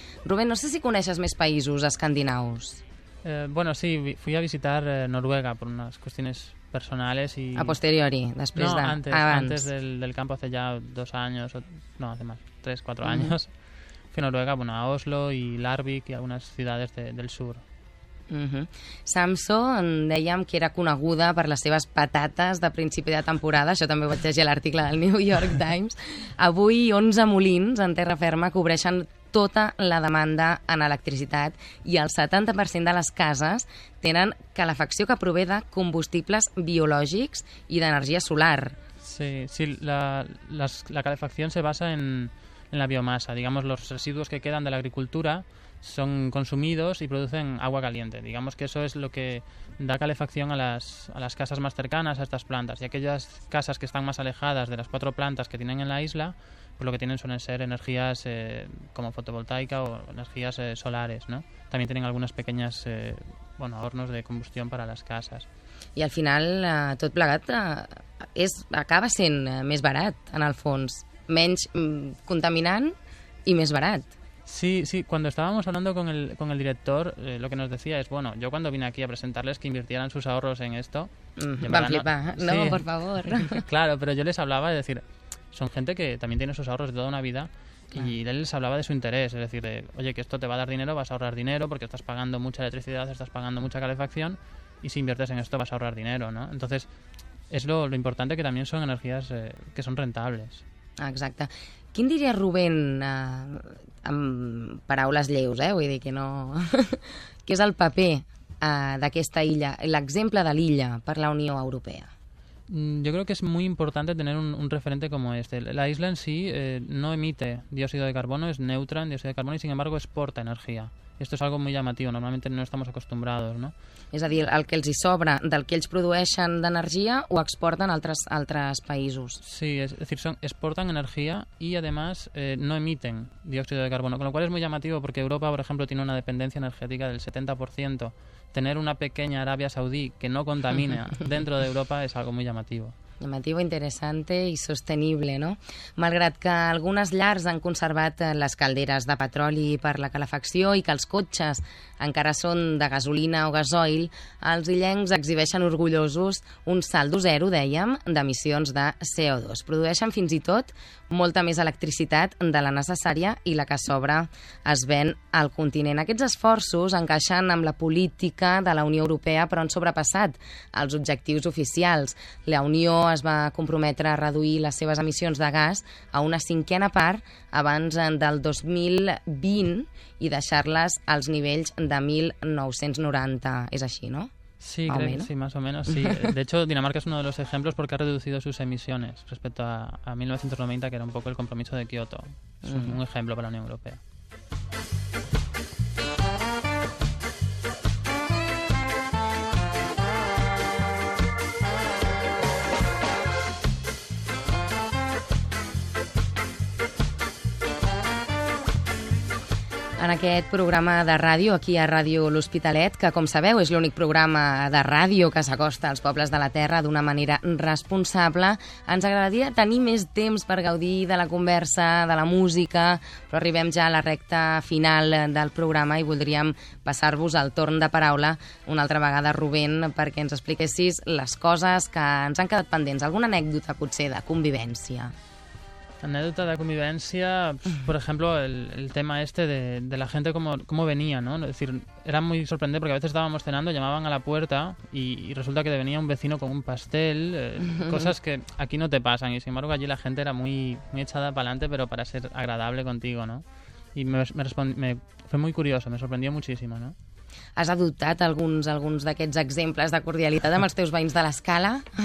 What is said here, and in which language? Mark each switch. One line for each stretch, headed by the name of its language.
Catalan: Rubén, no sé si coneixes més països escandinaus.
Spanish: Bueno, sí, fui a visitar Noruega por unas cuestiones personales y...
Catalan: A posteriori, després de...
Spanish: No, antes del campo, hace ya 2 años, no, hace más, 3-4 años. Noruega, bueno, a Oslo y Larvik y algunas ciudades del sur.
Catalan: Samsó, en dèiem que era coneguda per les seves patates de principi de temporada, això també ho vaig llegir a l'article del New York Times. Avui, 11 molins en terra ferma cobreixen tota la demanda en electricitat i el 70% de les cases tenen calefacció que prové de combustibles biològics i d'energia solar.
Spanish: Sí, la calefacció se basa en la biomasa. Digamos, los residuos que quedan de la agricultura son consumidos y producen agua caliente. Digamos que eso es lo que da calefacción a las casas más cercanas a estas plantas. Y aquellas casas que están más alejadas de las 4 plantas que tienen en la isla, pues lo que tienen suelen ser energías como fotovoltaica o energías solares, ¿no? También tienen algunas pequeñas hornos de combustión para las casas.
Catalan: I al final, tot plegat, acaba sent més barat, en el fons. Menys contaminant i més barat. Sí, sí.
Spanish: Cuando estábamos hablando con el director, lo que nos decía es, bueno, yo cuando vine aquí a presentarles que invirtieran sus ahorros en esto...
Catalan: Van flipar.
Spanish: No, sí. Por favor. Claro, pero yo les hablaba, es decir, son gente que también tiene sus ahorros de toda una vida, claro. Y él les hablaba de su interés, es decir, oye, que esto te va a dar dinero, vas a ahorrar dinero porque estás pagando mucha electricidad, estás pagando mucha calefacción, y si inviertes en esto vas a ahorrar dinero, ¿no? Entonces, es lo importante, que también son energías que son rentables.
Catalan: Exacte. Quin diria Rubén, amb paraules lleus, vull dir que no... Què és el paper d'aquesta illa, l'exemple de l'illa per la Unió Europea?
Spanish: Yo creo que es muy importante tener un referente como este. La isla en sí no emite dióxido de carbono, es neutra en dióxido de carbono y sin embargo exporta energía. Esto es algo muy llamativo, normalmente no estamos acostumbrados, ¿no?
Catalan: És a dir, el que els hi sobra del que ells produeixen d'energia ho exporten a altres països.
Spanish: Sí, es decir, exportan energía y además no emiten dióxido de carbono, con lo cual es muy llamativo porque Europa, por ejemplo, tiene una dependencia energética del 70%. Tener una pequeña Arabia Saudí que no contamina dentro de Europa es algo muy llamativo. Llamativo, interesante y sostenible, ¿no?
Catalan: Malgrat que algunes llars han conservat les calderes de petroli per la calefacció i que els cotxes encara són de gasolina o gasoil, els illencs exhibeixen orgullosos un saldo zero, dèiem, d'emissions de CO2. Produeixen fins i tot molta més electricitat de la necessària i la que sobra es ven al continent. Aquests esforços encaixen amb la política de la Unió Europea, però han sobrepassat els objectius oficials. La Unió es va comprometre a reduir les seves emissions de gas a una cinquena part abans del 2020 i deixar-les als nivells de 1990. És així, no?
Spanish: Sí, creo que sí, más o menos, sí. De hecho, Dinamarca es uno de los ejemplos porque ha reducido sus emisiones respecto a 1990, que era un poco el compromiso de Kioto. Es un ejemplo para la Unión Europea.
Catalan: En aquest programa de ràdio, aquí a Ràdio L'Hospitalet, que com sabeu és l'únic programa de ràdio que s'acosta als pobles de la Terra d'una manera responsable, ens agradaria tenir més temps per gaudir de la conversa, de la música, però arribem ja a la recta final del programa i voldríem passar-vos el torn de paraula una altra vegada, Rubén, perquè ens expliquessis les coses que ens han quedat pendents, alguna anècdota potser de convivència.
Spanish: Anécdota de convivencia, por ejemplo, el tema este de la gente cómo venía, ¿no? Es decir, era muy sorprendente porque a veces estábamos cenando, llamaban a la puerta y resulta que venía un vecino con un pastel, cosas que aquí no te pasan y sin embargo allí la gente era muy, muy echada para adelante, pero para ser agradable contigo, ¿no? Y fue muy curioso, me sorprendió muchísimo, ¿no?
Catalan: Has adoptat alguns d'aquests exemples de cordialitat amb els teus veïns de l'escala?